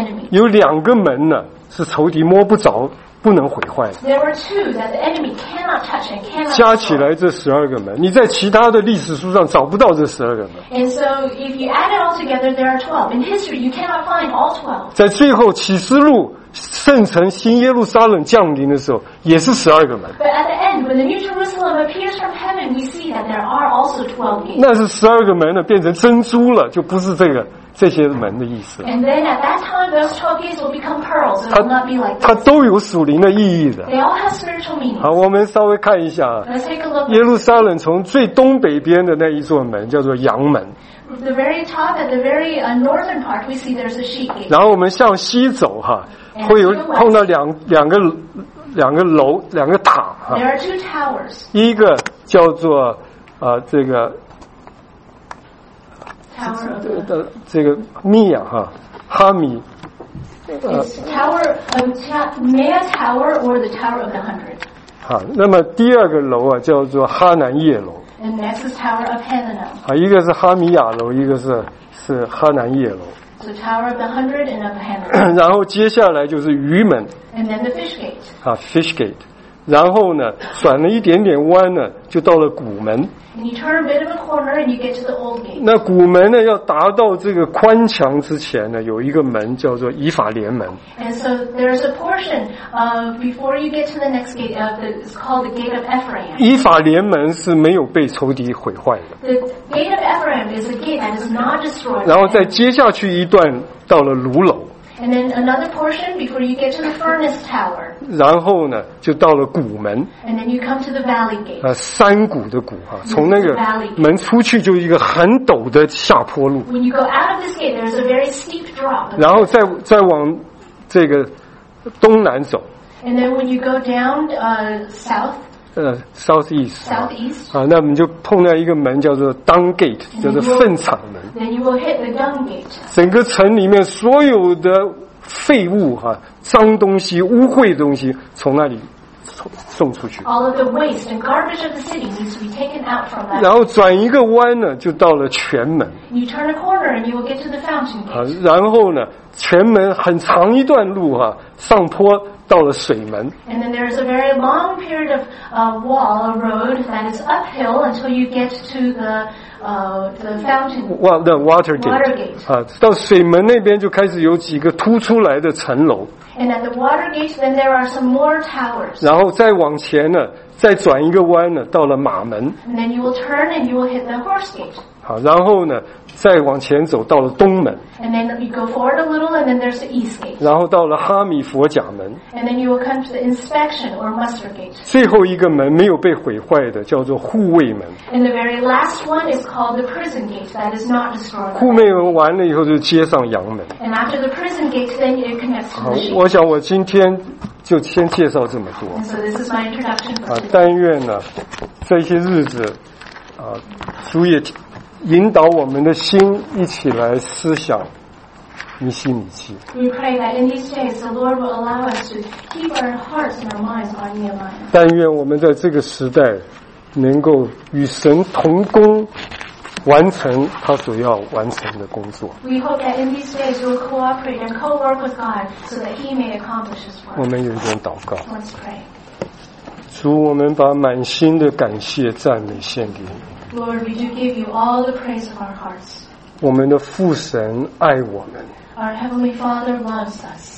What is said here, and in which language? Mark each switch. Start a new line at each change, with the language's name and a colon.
Chinese: 有2个门呢是仇敌摸不着不能毁坏的。
English: There were two that the enemy cannot touch and cannot.
Chinese: 加起来这12个门，你在其他的历史书上找不到这十二个门。
English: And so if you add it all together, there are 12. In history, you cannot find all 12.
Chinese: 在最后启示录圣城新耶路撒冷降临的时候，也是12个门。
English: But at the end, when the new Jerusalem appears from heaven, we see that there are also 12 gates.
Chinese: 那是12个门呢，变成珍珠了，就不是这个。这些门的意思。
English: And then at that time, those 12 gates will become pearls. It will not be like this.
Chinese: 它都有属灵的意义的。
English: They all have spiritual meaning.
Chinese: 好，我们稍微看一下。
English: Let's take a look.
Chinese: 耶路撒冷从最东北边的那一座门叫做阳门。
English: The very top at the very northern part, we see there's a sheep gate.
Chinese: 然后我们向西走哈，会有碰到两个两个楼，两个塔。
English: There are two towers.
Chinese: 一个叫做这个
English: tower of the
Chinese: 这个米亚哈哈米。
English: Maya Tower or the Tower of the Hundred.
Chinese: 好，那么第二个楼啊叫做哈南叶楼。
English: And next is Tower of Hananel.
Chinese: 好，一个是哈米亚楼，一个是哈南叶楼。
English: So Tower of the Hundred and of Hananel.
Chinese: 然后接下来就是鱼门。
English: And then the Fish Gate. 啊 ，Fish Gate.
Chinese: 然后呢，转了一点点弯呢，就到了古门。
English: And you turn a bit of a corner and you get to the old gate.
Chinese: 那古门呢，要达到这个宽墙之前呢，有一个门叫做以法莲门。
English: And so there's a portion before you get to the next gate of the it's called the gate of Ephraim.
Chinese: 以法莲门是没有被仇敌毁坏的。
English: The gate of Ephraim is a gate that is not destroyed.
Chinese: 然后再接下去一段到了卢楼。
English: And then another portion before you get to the furnace tower.
Chinese: 然后呢，就到了谷门。
English: And then you come to the valley gate.
Chinese: 山谷的谷哈，从那个门出去就是一个很陡的下坡路。
English: When you go out of this gate, there's a very steep drop.
Chinese: 然后再往这个东南走。
English: And then when you go down south. Southeast. Southeast.
Chinese: 那我们就碰到一个门叫做 Dung Gate, 就是粪场门。
English: Then you will hit the Dung Gate.
Chinese: 整个城里面所有的废物哈、脏东西、污秽的东西从那里送出去。
English: All of the waste and garbage of the city needs to be taken out from that.
Chinese: 然后转一个弯呢，就到了泉门。
English: You turn a corner and you will get to the fountain gate.
Chinese: 然后呢，泉门很长一段路哈、上坡。到了水门。
English: And then there's a very long period of wall, a road that is uphill until you get to the fountain. Well, the water gate. Watergate.
Chinese: 到水门那边就开始有几个突出来的城楼。
English: And at the water gate, then there are some more towers.
Chinese: 然后再往前呢，再转一个弯呢，到了马门。
English: And then you will turn and you will hit the horse gate.
Chinese: 好，然后呢，再往前走到了东门。
English: And then you go forward a little, and then there's the east gate.
Chinese: 然后到了哈米佛甲门。
English: And then you will come to the inspection or muster gate.
Chinese: 最后一个门没有被毁坏的叫做护卫门。
English: And the very last one is called the prison gate that is not destroyed.
Chinese: 护卫门完了以后就接上阳门。
English: And after the prison gate, then it connects to the sheep.
Chinese: 我想我今天就先介绍这么多。
English: And so this is my introduction for today.
Chinese: 但愿呢，这些日子，主也引导我们的心一起来思想尼希米记。
English: We pray that in these days the Lord will allow us to keep our hearts and our minds on Nehemiah.
Chinese: 但愿我们在这个时代能够与神同工，完成他所要完成的工作。
English: We hope that in these days we'll cooperate and co-work with God so that He may accomplish His work.
Chinese: 我们有一点祷告。
English: Let's pray.
Chinese: 主，我们把满心的感谢赞美献给你。
English: Lord, we do give you all the praise of our hearts.
Chinese: 我们的父神爱我们。
English: Our heavenly Father loves us.